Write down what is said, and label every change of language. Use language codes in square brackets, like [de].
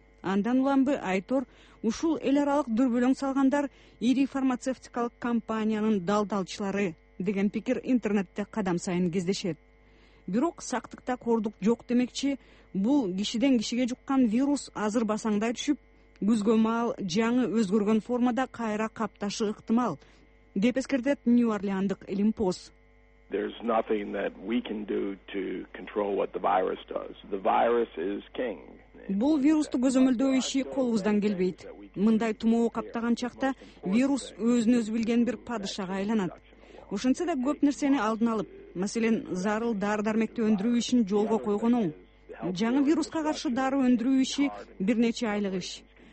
[ky] Андан уламбы Айтор ушул эл аралык дүрбөлөң салгандар ири фармацевтикалык компаниянын далдалчылары деген пикир интернетте кадам сайын кездешет. Бирок сактыкта кордук жок демекчи, бул кишиден кишиге жуккан вирус азыр басаңдай түшүп, күзгө маал жаңы өзгөргөн формада кайра капташы ыктымал, деп эскертет Нью-Орлеандык Олимпос. [en] There's nothing that we can do to control what the virus does. The virus is king. [ky] Бул вирусту көзөмөлдөө иши колубуздан келбейт. Мындай тумоо каптаган чакта вирус өзүн өзү билген бир падышага айланат. Ошентсе да көп нерсени алдын алып, маселен, зарыл дары-дармекти өндүрүү ишин жолго койгонуң. Жаңы вируска каршы дары өндүрүү иши бир нече айлык иш.